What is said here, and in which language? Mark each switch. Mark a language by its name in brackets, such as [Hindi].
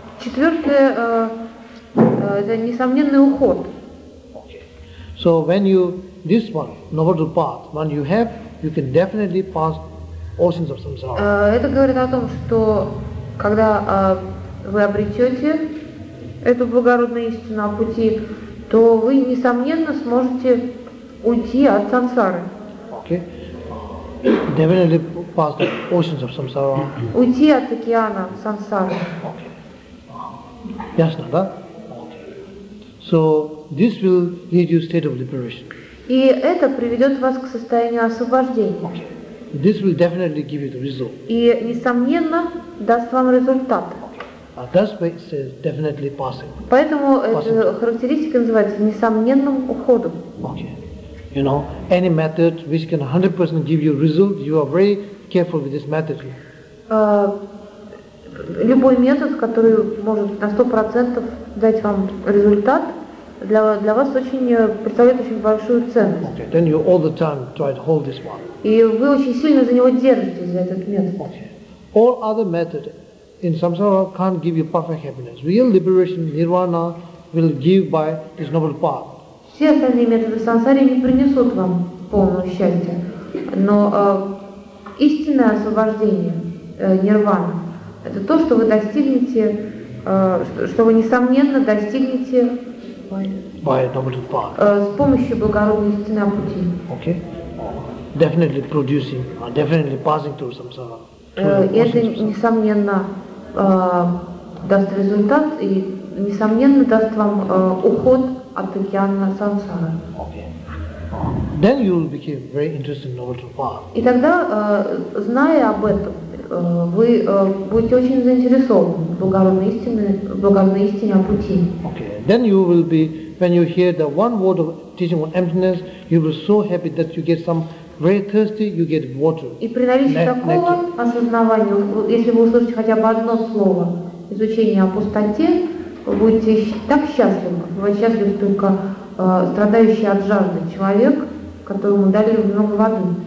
[Russian] Четвертое, это несомненный уход. [English] So when you this one, noble path, when you have, you can definitely pass oceans of samsara. [Russian] Это говорит о том, что когда вы обретете эту благородную истину о пути, то вы, несомненно, сможете уйти от сансары. [English] Okay. Definitely pass the oceans of samsara. [Russian] Уйти от океана сансары. Okay. Ясно, да? Okay. [English] So, this will lead you to state of liberation. [Russian] И это приведет вас к состоянию освобождения. [English] Okay. This will definitely give you the result. [Russian] И, несомненно, даст вам результат. [English] That's why it says definitely passing. [Russian] Поэтому [English] passing. [Russian] Эта характеристика называется несомненным уходом. [English] Okay. You know, any method which can 100% give you result, you are very careful with this method. [Russian] Любой метод, который может на 100% дать вам результат, для вас представляет очень большую ценность. [English] Okay. Then you all the time try to hold this one. [Russian] И вы очень сильно за него держитесь, за этот метод. [English] Okay. All other methods in samsara can't give you perfect happiness. Real liberation, nirvana, will give by this noble path. [Russian] Все остальные методы сансары не принесут вам полного счастья, но истинное освобождение, нирвана, это то, что вы достигнете, что вы несомненно достигнете [English] by noble path. [Russian] С помощью благородной истины пути. [English] Okay. Definitely producing, definitely passing through samsara. [Russian] Это несомненно даст результат и, несомненно, даст вам уход от океана сансары. [English] Okay. Then you will become very interested in noble path. [Russian] И тогда, зная об этом, вы будете очень заинтересованы в благородной истине, о пути. [English] Okay. Then you will be, when you hear the one word of teaching on emptiness, you will be so happy that you get some very thirsty, you get water. [Russian] И при наличии такого осознавания, если вы услышите хотя бы одно слово изучения о пустоте, вы будете так счастливы. Вы счастливы только страдающий от жажды человек, которому дали много воды.